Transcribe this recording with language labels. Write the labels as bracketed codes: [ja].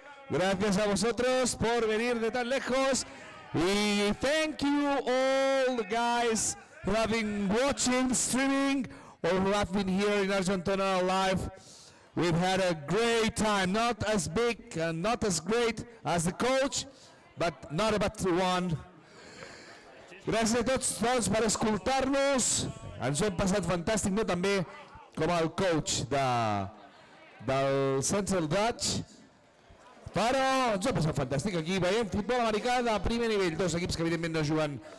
[es] Gracias a vosotros por venir de tan lejos. [en] Y thank you all the guys who have been watching, streaming, or who have been here in Argentina live. We've had a great time, not as big and not as great as the coach, but not a bad one. [ca] Gràcies a tots doncs, per escoltar-nos. Ens ho hem passat fantàstic, no? També com el coach del Central Dutch. Però ens ho hem passat fantàstic. Aquí veiem futbol americà de primer nivell. Dos equips que evidentment no juguen